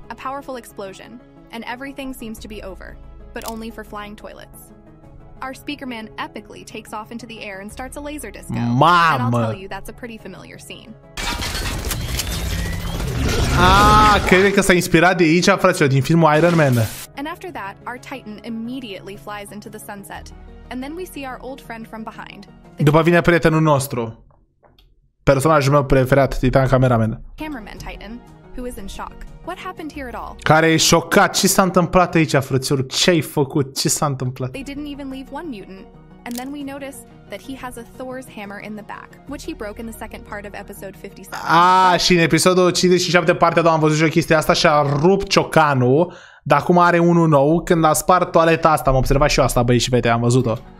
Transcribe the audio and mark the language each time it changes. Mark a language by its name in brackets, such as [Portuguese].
[English] A powerful explosion and everything seems to be over, but only for flying toilets. Our speaker man epically takes off into the air and starts a laser disco. [Romanian] Mamă. [English] And I'll tell you that's a pretty familiar scene. [Romanian] Ah, cred că s-a inspirat de aici, fraților, din filmul Iron Man. [English] And after that, our Titan immediately flies into the sunset. And then we see our old friend from behind. [Romanian] După vine prietenul nostru. Personajul meu preferat, Titan cameraman. [English] Cameraman Titan, who is in shock. What happened here at all? [Romanian] Care e șocat. Ce s-a întâmplat aici, frățior? Ce ai făcut? Ce s-a întâmplat? [English] They didn't even leave one mutant. And then we notice that he has a Thor's hammer in the back, which he broke in the second part of episode 57. [Romanian] Ah, și în episodul 57 partea 2 am văzut și o chestie asta și a rupt ciocanul. Dar acum are unul nou, când a spart toaleta asta, am observat și eu asta, băi, și pe am văzut-o.